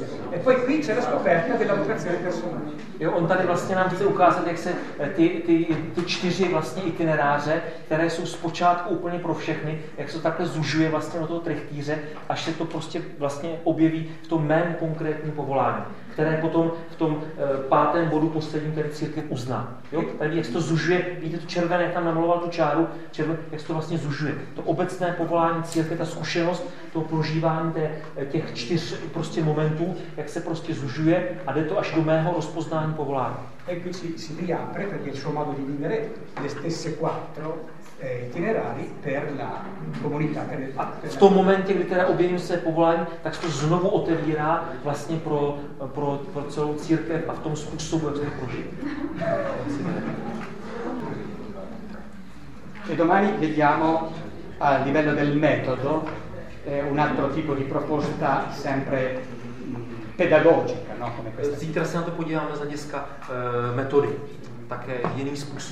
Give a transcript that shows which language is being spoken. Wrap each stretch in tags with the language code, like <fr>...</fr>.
<it>E poi qui c'è la scoperta della vocazione personale.</it> <cs>Jo, on tady vlastně nám chce ukázat, jak se ty čtyři vlastně itineráře, které jsou zpočátku úplně pro všechny, jak se takhle zužuje vlastně na toho trichtýře, až se to prostě vlastně objeví v tom mém konkrétním povolání, které potom v tom pátém bodu posledním tady církev uzná. Jo? Tady jak se to zužuje, vidíte to červené, jak tam namaloval tu čáru, červené, jak se to vlastně zužuje. To obecné povolání církve, ta zkušenost, to prožívání těch čtyř prostě momentů, jak se prostě zužuje a jde to až do mého rozpoznání povolání.</cs> <it>E qui si riapre, perché il suo modo di vivere le stesse quattro itinerari per la comunità.</it> <cs>V tom momentě, kdy teda objevím se povolání, tak se to znovu otevírá vlastně pro celou církev a v tom způsobu, jak se prožije.</cs> <it>E domani vediamo a livello del metodo un altro tipo di proposta sempre pedagogica, no?</it> <cs>Zítra se na to podíváme z hlediska metody, také jiný způsob.</cs>